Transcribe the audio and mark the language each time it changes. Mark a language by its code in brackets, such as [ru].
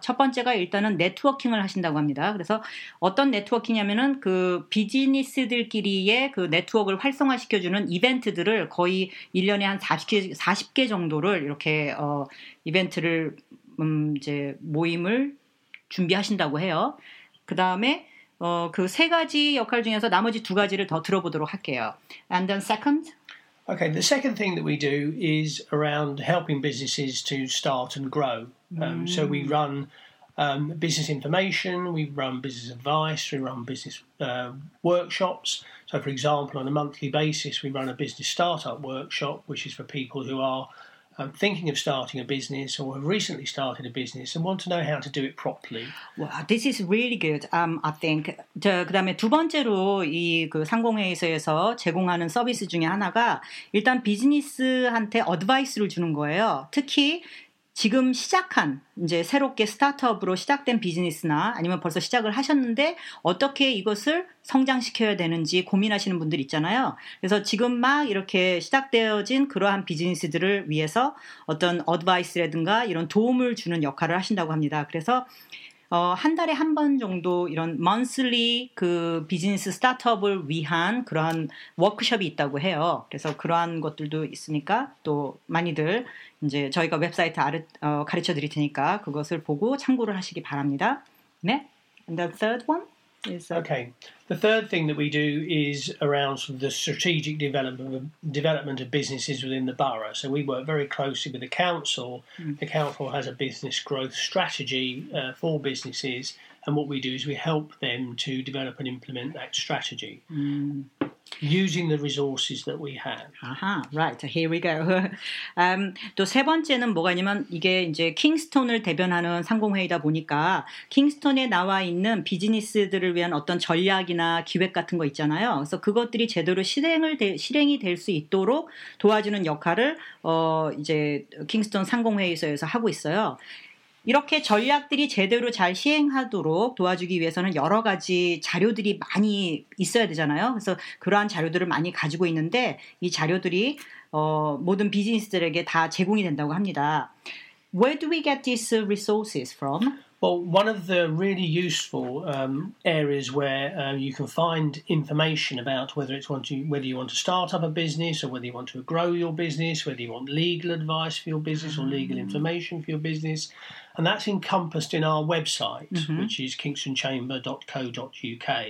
[ko] 첫 번째가 일단은 네트워킹을 하신다고 합니다. 그래서 어떤 네트워킹이냐면은 그 비즈니스들끼리의 그 네트워크를 활성화시켜주는 이벤트들을 거의 1년에 한 40개 정도를 이렇게 이벤트를 이제 모임을 준비하신다고 해요. 그 다음에 그 세 가지 역할 중에서 나머지 두 가지를 더 들어보도록 할게요. [en] And then second. Okay, the second thing that we do is around helping businesses to start and grow. So we run business information, we run business advice, we run business workshops. So, for example, on a monthly basis, we run a business startup workshop, which is for people who are thinking of starting a business or have recently started a business and want to know how to do it properly. Well, this is really good, I think. [ko] 그다음에 두 번째로 이 그 상공회의소에서 제공하는 서비스 중에 하나가 일단 비즈니스한테 어드바이스를 주는 거예요. 특히 지금 시작한 이제 새롭게 스타트업으로 시작된 비즈니스나 아니면 벌써 시작을 하셨는데 어떻게 이것을 성장시켜야 되는지 고민하시는 분들 있잖아요. 그래서 지금 막 이렇게 시작되어진 그러한 비즈니스들을 위해서 어떤 어드바이스라든가 이런 도움을 주는 역할을 하신다고 합니다. 그래서 한 달에 한 번 정도 이런 monthly 그 비즈니스 스타트업을 위한 그러한 워크숍이 있다고 해요. 그래서 그러한 것들도 있으니까 또 많이들 이제 저희가 웹사이트 가르쳐 드릴 테니까 그것을 보고 참고를 하시기 바랍니다. [en] 네. And the third one? Okay. The third thing that we do is around sort of the strategic development of businesses within the borough. So we work very closely with the council. The council has a business growth strategy for businesses, and what we do is we help them to develop and implement that strategy. Using the resources that we have. Aha, right. Here we go. [ko] 또 세 번째는 뭐가냐면 이게 이제 킹스턴을 대변하는 상공회의다 보니까 킹스턴에 나와 있는 비즈니스들을 위한 어떤 전략이나 기획 같은 거 있잖아요. 그래서 그것들이 제대로 실행이 될 수 있도록 도와주는 역할을 이제 킹스턴 상공회의소에서 하고 있어요. 이렇게 전략들이 제대로 잘 시행하도록 도와주기 위해서는 여러 가지 자료들이 많이 있어야 되잖아요. 그래서 그러한 자료들을 많이 가지고 있는데 이 자료들이 모든 비즈니스들에게 다 제공이 된다고 합니다. [en] Where do we get these resources from? Well, one of the really useful areas where you can find information about whether you want to start up a business or whether you want to grow your business, whether you want legal advice for your business or legal information for your business, and that's encompassed in our website, which is kingstonchamber.co.uk.